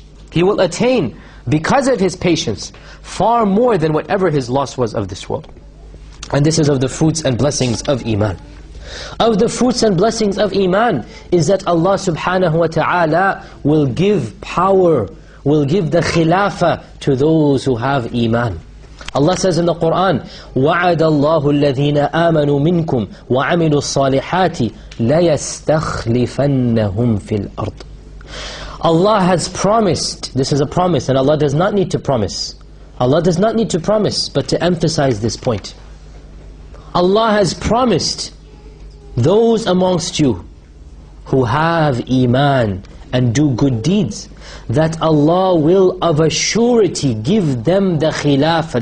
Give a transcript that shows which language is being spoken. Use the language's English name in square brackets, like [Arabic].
[English] He will attain, because of his patience, far more than whatever his loss was of this world. And this is of the fruits and blessings of iman. Of the fruits and blessings of iman is that Allah subhanahu wa ta'ala will give power, will give the khilafah to those who have iman. Allah says in the Quran, [Arabic] وَعَدَ اللَّهُ الَّذِينَ آمَنُوا مِنْكُمْ وَعَمِلُوا الصَّالِحَاتِ لَيَسْتَخْلِفَنَّهُمْ فِي الْأَرْضِ. [English] Allah has promised, this is a promise, and Allah does not need to promise. Allah does not need to promise, but to emphasize this point. Allah has promised those amongst you who have iman and do good deeds, that Allah will of a surety give them the khilafah.